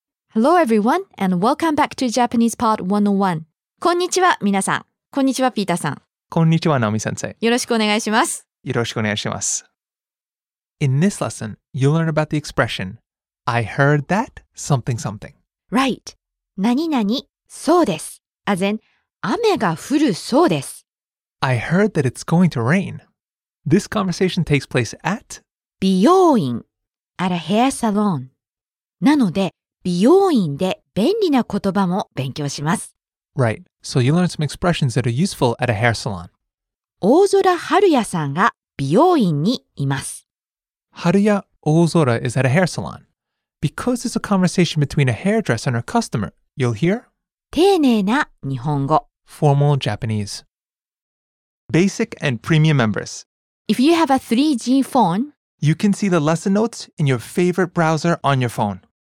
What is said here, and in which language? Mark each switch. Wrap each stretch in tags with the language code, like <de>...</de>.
<en>Hello everyone and welcome back to Japanese Part 101.</en> <ja>こんにちは皆さん。こんにちはピーターさん。こんにちはナオミ先生。よろしくお願いします。よろしくお願いします。</ja> <en>In this lesson, you'll learn about the expression, I heard that something something. Right.</en> <ja>何々そうです。</ja> <en>As in,</en> <ja>雨が降るそうです。</ja> <en>I heard that it's going to rain. This conversation takes place at 美容院 at a hair salon.</en> <ja>なので美容院で便利な言葉も勉強します。</ja> <en>Right. So you learn some expressions that are useful at a hair salon.</en> <ja>大空春也さんが美容院にいます。</ja> <en>春也大空 is at a hair salon. Because it's a conversation between a hairdresser and her customer, you'll hear</en> <ja>丁寧な日本語</ja> <en>Formal Japanese. Basic and premium members. If you have a 3G phone, you can see the lesson notes in your favorite browser on your phone.</en>